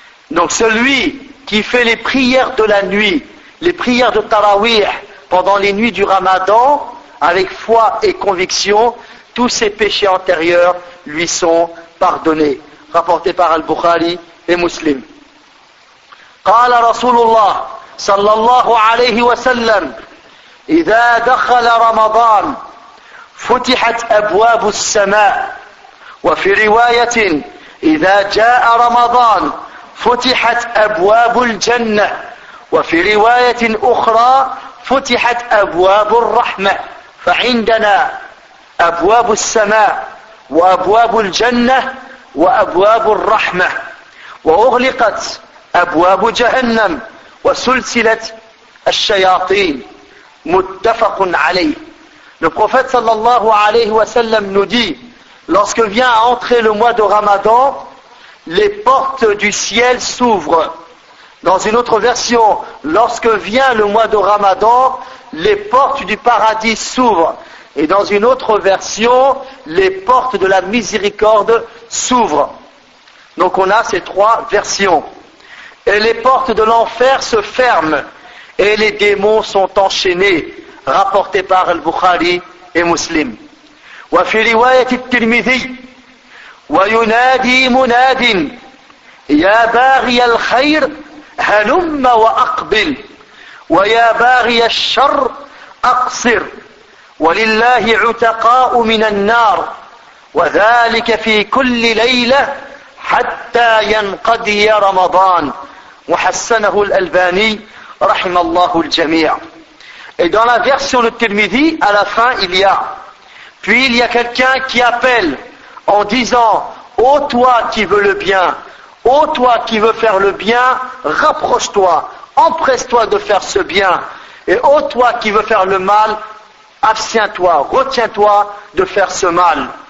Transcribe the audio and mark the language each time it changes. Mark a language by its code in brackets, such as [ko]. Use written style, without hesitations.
[fr] Donc celui qui fait les prières de la nuit, les prières de Tarawih pendant les nuits du Ramadan, avec foi et conviction, tous ses péchés antérieurs lui sont pardonnés. Rapporté par Al-Bukhari et Muslim. [ar] قال رسول الله صلى الله عليه وسلم إذا دخل رمضان فتحت أبواب السماء وفي رواية إذا جاء رمضان فتحت أبواب الجنة وفي رواية أخرى فتحت أبواب الرحمة فعندنا أبواب السماء وأبواب الجنة وأبواب الرحمة وأغلقت أبواب جهنم وسلسلة الشياطين متفق عليه. [fr] Le prophète sallallahu alayhi wa sallam nous dit, lorsque vient à entrer le mois de Ramadan, les portes du ciel s'ouvrent. Dans une autre version, lorsque vient le mois de Ramadan, les portes du paradis s'ouvrent. Et dans une autre version, les portes de la miséricorde s'ouvrent. Donc on a ces trois versions. Et les portes de l'enfer se ferment. Et les démons sont enchaînés. Rapporté par Al-Bukhari et Muslim. [ar] Wa fi riwayat al-Tirmidhi. وينادي مناد يا باغي الخير هلم وأقبل ويا باغي الشر أقصر ولله عتقاء من النار وذلك في كل ليلة حتى ينقضي رمضان وحسنه الألباني رحم الله الجميع. [fr] Et dans la version de Tirmidhi, à la fin il y a, puis il y a quelqu'un qui appelle en disant: ô toi qui veux le bien, ô toi qui veux faire le bien, rapproche-toi, empresse-toi de faire ce bien. Et ô toi qui veux faire le mal, abstiens-toi, retiens-toi de faire ce mal.